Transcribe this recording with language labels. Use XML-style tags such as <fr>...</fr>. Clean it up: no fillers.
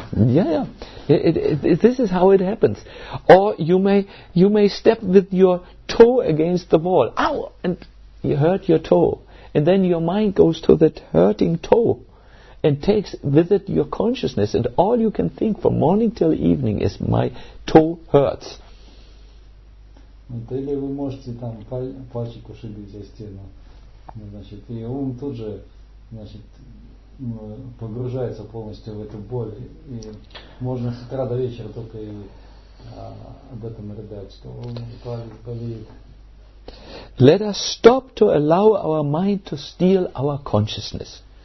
<en>Yeah, this is how it happens. Or you may step with your toe against the wall. Ow! And you hurt your toe. And then your mind goes to that hurting toe and takes with it your consciousness. And all you can think from morning till evening is, my toe hurts.</en> <ru>Вот, или вы можете там пальчик ушибить о стену, значит, и ум тут же, значит, погружается полностью в эту боль, и можно с утра до вечера только и об этом рыдать, что он болеет.</ru> <en>Let us stop to allow our mind to steal our consciousness.</en>